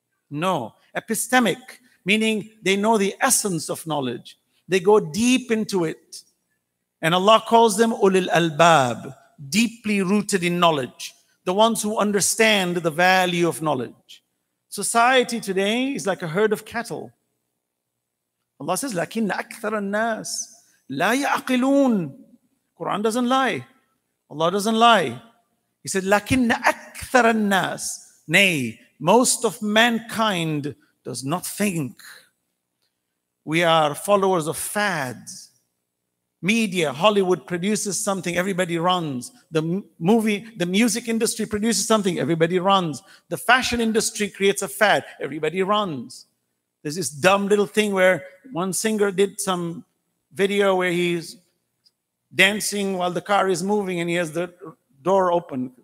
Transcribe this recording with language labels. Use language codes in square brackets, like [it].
[en] No, epistemic, meaning they know the essence of knowledge. They go deep into it. And Allah calls them ulil albab, deeply rooted in knowledge, the ones who understand the value of knowledge. Society today is like a herd of cattle. Allah says, [ar] لَكِنْ أَكْثَرَ النَّاسِ لَا يَعْقِلُونَ. [en] Quran doesn't lie. Allah doesn't lie. He said, [ar] لَكِنْ أَكْثَرَ النَّاسِ. [en] Nay, most of mankind does not think. We are followers of fads. Media, Hollywood produces something, everybody runs. The movie, the music industry produces something, everybody runs. The fashion industry creates a fad, everybody runs. There's this dumb little thing where one singer did some video where he's dancing while the car is moving and he has the door open.